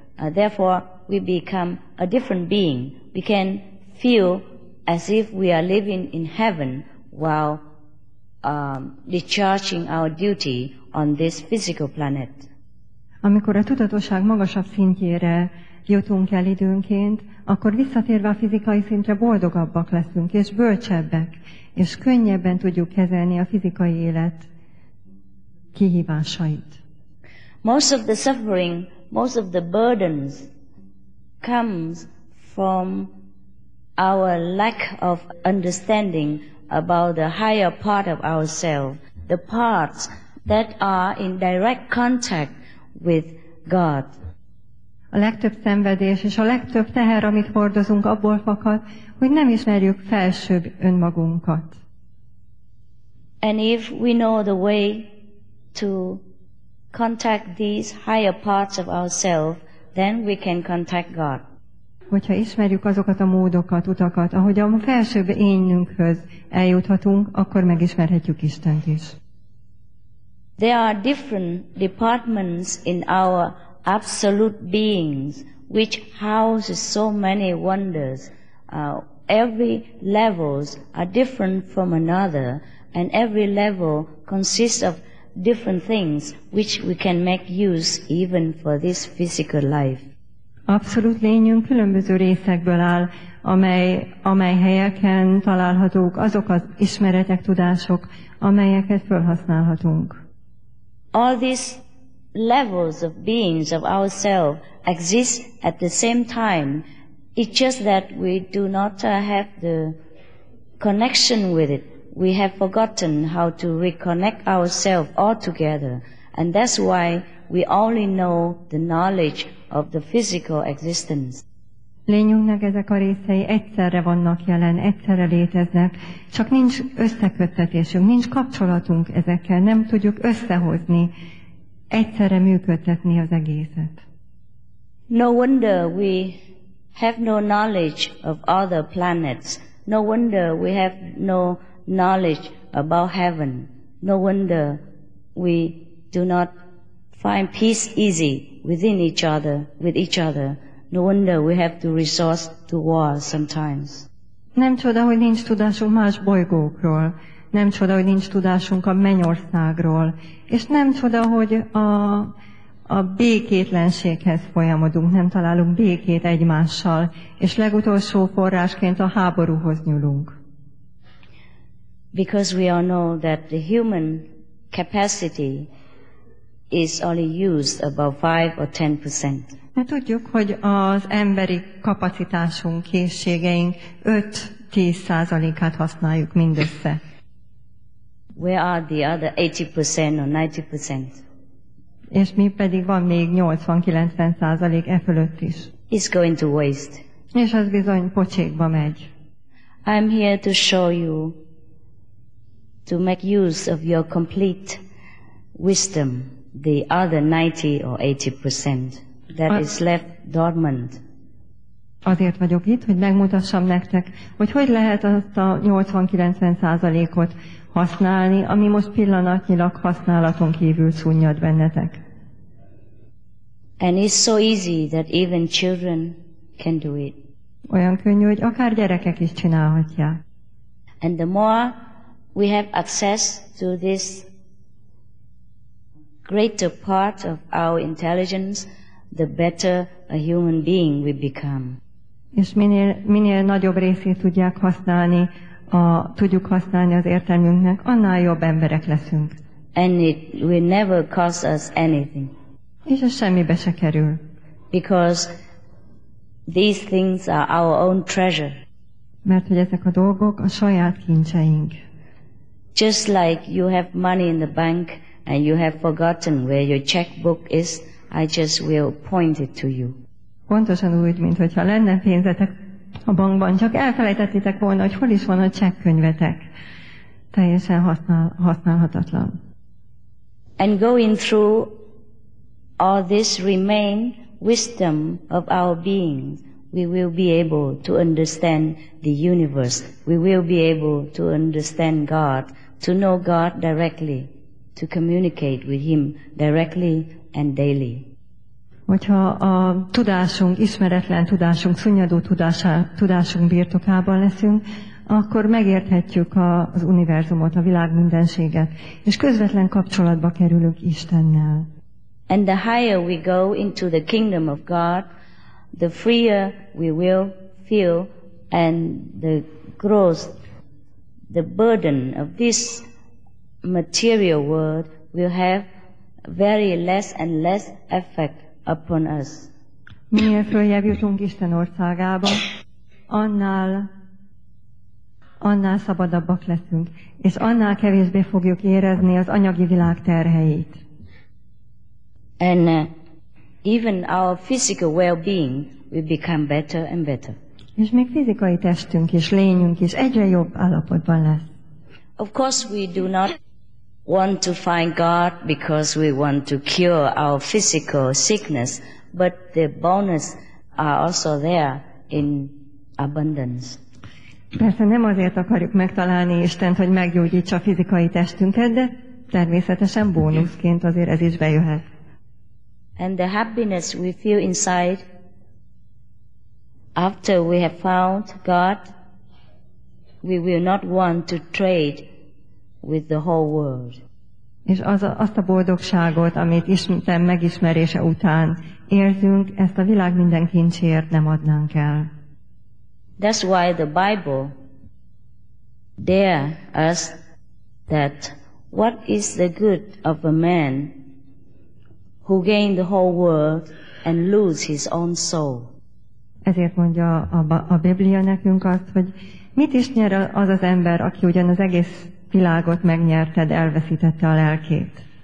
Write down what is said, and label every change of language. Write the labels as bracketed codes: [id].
[en] Therefore, we become a different being. We can feel as if we are living in heaven while discharging our duty on this physical planet. [hu] Amikor a tudatosság magasabb szintjére jutunk el időnként, akkor visszatérve a fizikai szintre boldogabbak leszünk, és bölcsebbek, és könnyebben tudjuk kezelni a fizikai élet kihívásait. [en] Most of the suffering, most of the burdens comes from our lack of understanding about the higher part of ourselves, the parts that are in direct contact with God. [hu] A legtöbb szenvedés és a legtöbb teher, amit hordozunk, abból fakad, hogy nem ismerjük felsőbb önmagunkat. [en] And if we know the way to contact these higher parts of ourselves, then we can contact God. [hu] Hogyha ismerjük azokat a módokat, utakat, ahogy a felsőbb énünkhöz eljuthatunk, akkor megismerhetjük Istent is. [en] There are different departments in our absolute beings which houses so many wonders. Every levels are different from another, and every level consists of different things which we can make use even for this physical life. [hu] Abszolút lényünk különböző részekből áll, amely helyeken találhatók azok az ismeretek, tudások, amelyeket felhasználhatunk. [en] All these levels of beings of ourselves exist at the same time. It's just that we do not have the connection with it. We have forgotten how to reconnect ourselves all together. And that's why we only know the knowledge of the physical existence. [hu] Lényünknek ezek a részei egyszerre vannak jelen, egyszerre léteznek, csak nincs összeköttetésünk, nincs kapcsolatunk ezekkel, nem tudjuk összehozni, egyszerre működtetni az egészet. [en] No wonder we have no knowledge of other planets. No wonder we have no knowledge about heaven. No wonder we do not find peace easy within each other, with each other. No wonder we have to resort to war sometimes. [hu] Nem csoda, hogy nincs tudásunk más bolygókról. Nem csoda, hogy nincs tudásunk a mennyországról. És nem csoda, hogy a békétlenséghez folyamodunk, nem találunk békét egymással, és legutolsó forrásként a háborúhoz nyúlunk. [en] Because we all know that the human capacity is only used about 5 or 10%. [hu] Mert tudjuk, hogy az emberi kapacitásunk, készségeink 5-10%-át használjuk mindössze. [en] Where are the other 80% or 90%? [hu] És mi pedig van még 80-90% e fölött is. [en] It's going to waste. [hu] És az bizony pocsékba megy. [en] I'm here to show you to make use of your complete wisdom, the other 90 or 80% that is left dormant. [hu] Azért vagyok itt, hogy megmutassam nektek, hogy lehet azt a 80-90%-ot használni, ami most pillanatnyilag használaton kívül szunnyad bennetek. [en] And it's so easy that even children can do it. [hu] Olyan könnyű, hogy akár gyerekek is csinálhatják. [en] And the more we have access to this greater part of our intelligence, the better a human being we become. [hu] És minél nagyobb részét tudják használni, tudjuk használni az értelmünknek, annál jobb emberek leszünk. [en] And it will never cost us anything. [hu] És ez semmibe se kerül. [en] Because these things are our own treasure. [hu] Mert hogy ezek a dolgok a saját kincseink. [en] Just like you have money in the bank and you have forgotten where your checkbook is, I just will point it to you. [hu] Pontosan úgy, mint hogyha lenne pénzetek a bankban, csak elfelejtettétek volna, hogy hol is van a csekkönyvetek. Teljesen használhatatlan. [en] And going through all this remain wisdom of our beings, we will be able to understand the universe. We will be able to understand God, to know God directly, to communicate with Him directly and daily. [hu] Hogyha a tudásunk, ismeretlen tudásunk, szunnyadó tudásunk birtokában leszünk, akkor megérthetjük az univerzumot, a világ mindenséget, és közvetlen kapcsolatba kerülünk Istennel. [en] And the higher we go into the kingdom of God, the freer we will feel, and the gross, the burden of this material world will have very less and less effect upon us. [hu] Minél följebb jutunk Isten országába, annál szabadabbak leszünk, és annál kevésbé fogjuk érezni az anyagi világ terheit. [en] And even our physical well-being will become better and better. [hu] És még fizikai testünk is, lényünk is egyre jobb állapotban lesz. [en] Of course we do not want to find God because we want to cure our physical sickness, but the bonus are also there in abundance. [hu] Persze nem azért akarjuk megtalálni Istent, hogy meggyógyítsa fizikai testünket, de természetesen bónuszként azért ez is bejöhet. [en] And the happiness we feel inside after we have found God, we will not want to trade with the whole world. [hu] És azt a boldogságot, amit Isten megismerése után érzünk, ezt a világ minden kincsért nem adnánk el. [en] That's why the Bible dare us that what is the good of a man who gained the whole world and lose his own soul. [hu] Ezért mondja a Biblia nekünk azt, hogy mit is nyer az az ember, aki ugyan az egész világot megnyerted, elveszítette a lelkét.